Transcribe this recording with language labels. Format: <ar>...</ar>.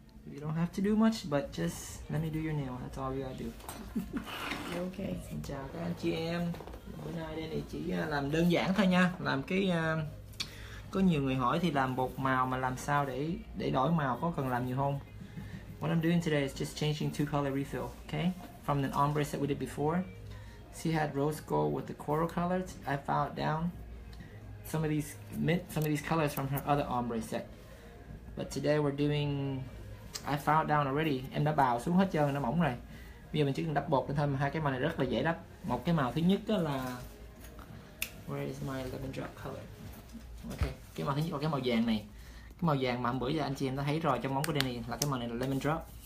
<en>You don't have to do much, but just let me do your nail. That's all you gotta do. Okay.</en> <vi>Xin chào các anh chị em. Bữa nay đây này chỉ làm đơn giản thôi nha. Làm cái có nhiều người hỏi thì làm bột màu mà làm sao để đổi màu, có cần làm nhiều không?</vi> <en>What I'm doing today is just changing two color refill, okay? From the ombre that we did before. She had rose gold with the coral colors. I filed down some of these colors from her other ombre set. But today we're doing, I filed down already.</en> <vi>Em đã bào xuống hết trơn, nó mỏng rồi. Bây giờ mình chỉ cần đắp bột lên thôi. Hai cái màu này rất là dễ đắp. Một cái màu thứ nhất đó là,</vi> <en>where is my lemon drop color?</en> <vi>Okay, cái màu thứ nhất là cái màu vàng này. Cái màu vàng mà hôm bữa giờ anh chị em đã thấy rồi trong móng của Danny là cái màu này là lemon drop.</vi>